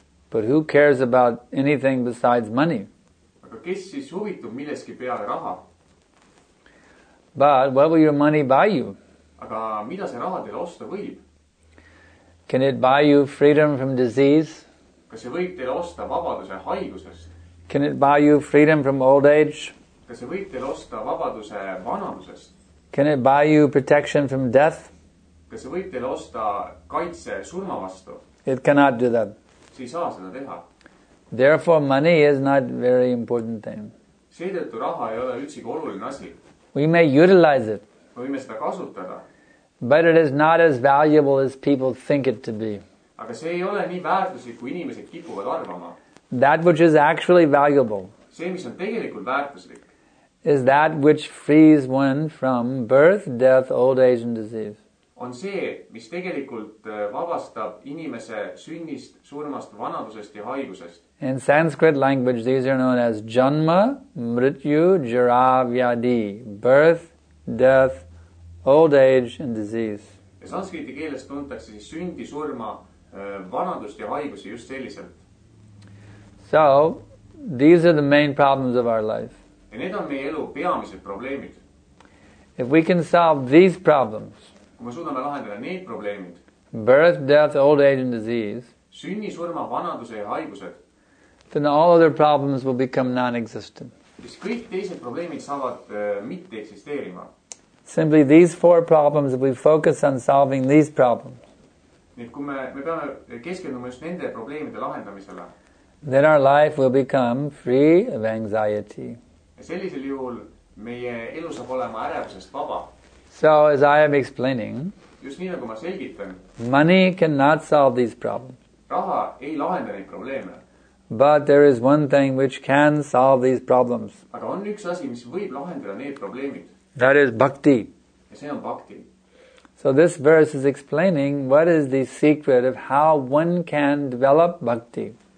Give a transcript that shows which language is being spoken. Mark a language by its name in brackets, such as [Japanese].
[English] But who cares about anything besides money? [Estonian] Aga kes siis huvitub milleski peale raha? [English] But what will your money buy you? [Estonian] Aga mida see raha teile osta võib? [English] Can it buy you freedom from disease? [Estonian] Kas see võib teile osta vabaduse haigusest? [English] Can it buy you freedom from old age? [Estonian] Kas see võib teile osta vabaduse vanadusest? [English] Can it buy you protection from death? [Estonian] Kas see võib teile osta kaitse surma vastu? [English] It cannot do that. [Estonian] See ei saa seda teha. [English] Therefore, money is not very important thing. [Estonian] Seetõttu raha ei ole üldse oluline asi. [English] We may utilize it. [Estonian] Me võime seda kasutada. [English] But it is not as valuable as people think it to be. [Estonian] Aga see ei ole nii väärtuslik, kui inimesed kipuvad arvama. [English] That which is actually valuable. [Estonian] See, mis on tegelikult väärtuslik. [English] Is that which frees one from birth, death, old age and disease. [Estonian] On see, mis tegelikult vabastab inimese sünnist, surmast, vanadusest ja haigusest. [English] In Sanskrit language, these are known as janma, mrityu, jara, vyadi. Birth, death, old age and disease. [Estonian] Ja sanskriti keeles tuntakse siis sündi, surma, vanadust ja haigusi just selliselt. [English] So, these are the main problems of our life. [Estonian] Ja need on meie elu peamised probleemid. [English] If we can solve these problems, [Estonian] kui me suudame lahendada need probleemid, [English] birth, death, old age and disease, [Estonian] sünni, surma, vanaduse ja haigused, [English] then all other problems will become non-existent. [Estonian] Siis kõik teised probleemid saavad mitte eksisteerima. [English] Simply these four problems, if we focus on solving these problems, [Estonian] nii kui me peame keskenduma just nende probleemide lahendamisele, [English] then our life will become free of anxiety. [Estonian] Ja sellisel juhul meie elu saab olema ärevusest vaba. [English] So, as I am explaining, [Estonian] just nii, nagu ma selgitan, [English] money cannot solve these problems. [Estonian] Raha ei lahenda neid probleeme. [English] But there is one thing which can solve these problems. [Estonian] Aga on üks asi, mis võib lahendada need probleemid. [English] That is bhakti. [Estonian] Ja see on bhakti. [English] So, this verse is explaining what is the secret of how one can develop bhakti.